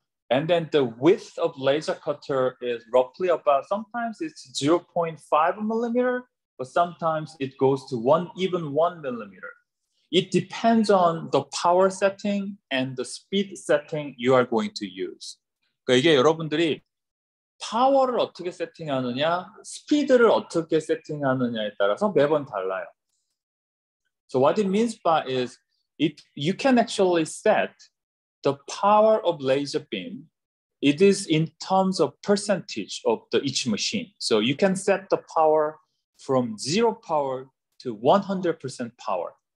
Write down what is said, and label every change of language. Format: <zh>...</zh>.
<en>And then the width of laser cutter is roughly about, sometimes it's 0.5 millimeter, but sometimes it goes to even one millimeter. It depends on the power setting and the speed setting you are going to use.</en> <ko>그러니까 이게 여러분들이 파워를 어떻게 세팅하느냐, 스피드를 어떻게 세팅하느냐에 따라서 매번 달라요.</ko> <en>So what it means by is, you can actually set the power of laser beam, it is in terms of percentage of each machine. So you can set the power from zero power to 100% power.</en>